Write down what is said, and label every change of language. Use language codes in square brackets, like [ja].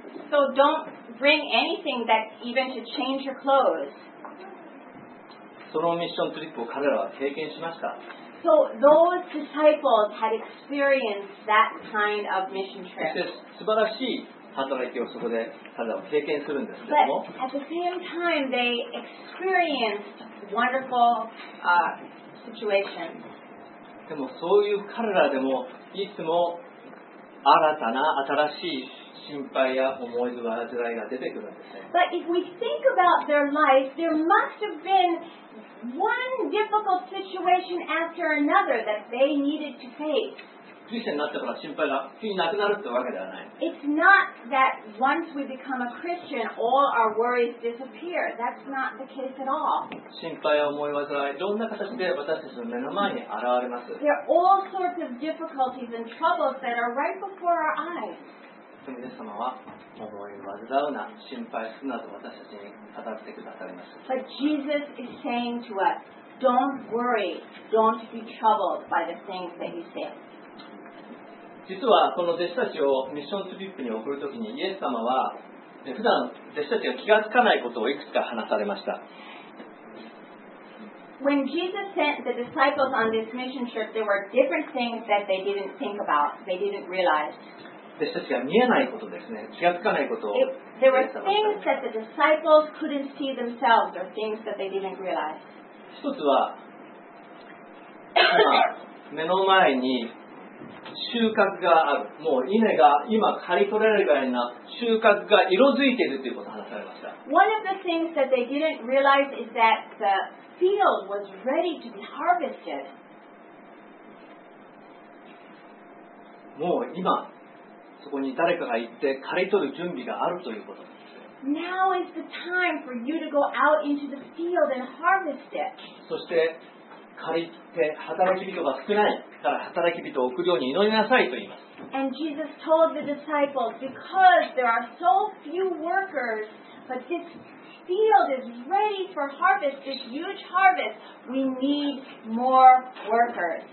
[en] So don't bring anything that even to change your clothes. [ja] そのミッショントリップを彼らは経験しました。 [en] So those disciples had experienced that kind of mission trip. [ja] そして素晴らしい働きをそこで彼らは経験するんですけども。 [en] But at the same time, they experienced wonderful situations. [ja] でもそういう彼らでもいつも新たな新しい心配や思い出が出てくるんですね。 [en] But if we think about their life, there must have been one difficult situation after another that they needed to face. [ja] クリスチャンになったから心配が急になくなるってわけではない。 [en] It's not that once we become a Christian, all our worries disappear. That's not the case at all. [ja] 心配や思い煩い、いろんな形で私たちの目の前に現れます。 [en] There are all sorts of difficulties and troubles that are right before our eyes. [ja] 皆様は思い煩うな心配するなと私たちに語ってくださいました。 [en] But Jesus is saying to us, don't worry, don't be troubled by the things that you say. [ja] 実はこの弟子たちをミッショントリップに送るときにイエス様は普段弟子たちが気がつかないことをいくつか話されました。 [en] When Jesus sent the disciples on this mission trip, there were different things that they didn't think about, they didn't realize. [ja] 弟子たちが見えないことですね。気がつかないことを。 [en] There were things that the disciples couldn't see themselves or things that they didn't realize. [ja] 一つは、目の前に収穫がある。もう稲が今刈り取れるぐらいな収穫が色づいているということを話されました。 [en] One of the things that they didn't realize is that the field was ready to be harvested. [ja] もう今、そこに誰かが行って刈り取る準備があるということです。 [en] Now is the time for you to go out into the field and harvest it. [ja] そして刈りって働き人が少ないから働き人を送るように祈りなさいと言います。 [en] And Jesus told the disciples, because there are so few workers, but this field is ready for harvest, this huge harvest, we need more workers.